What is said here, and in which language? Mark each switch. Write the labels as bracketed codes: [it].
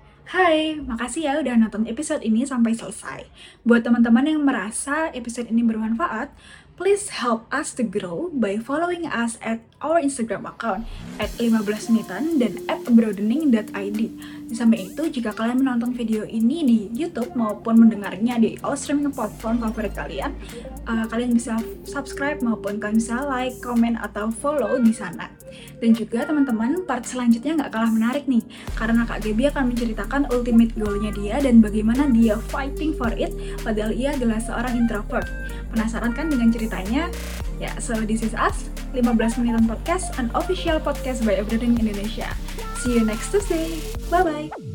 [id] Hai, makasih ya udah nonton episode ini sampai selesai. Buat teman-teman yang merasa episode ini bermanfaat, [en] please help us to grow by following us at our Instagram account at 15menitan dan at broadening.id. [id] Sampai itu, jika kalian menonton video ini di YouTube maupun mendengarnya di all streaming platform favorit kalian, kalian bisa subscribe maupun kalian bisa like, comment, atau follow di sana. Dan juga teman-teman, part selanjutnya nggak kalah menarik nih, karena Kak Gaby akan menceritakan ultimate goal-nya dia dan bagaimana dia [en] fighting for it [id] padahal ia adalah seorang introvert. Penasaran kan dengan ceritanya? [en] Ya, yeah, so this is us, 15 Menitan Podcast, an official podcast by Everything Indonesia. See you next Tuesday. Bye-bye.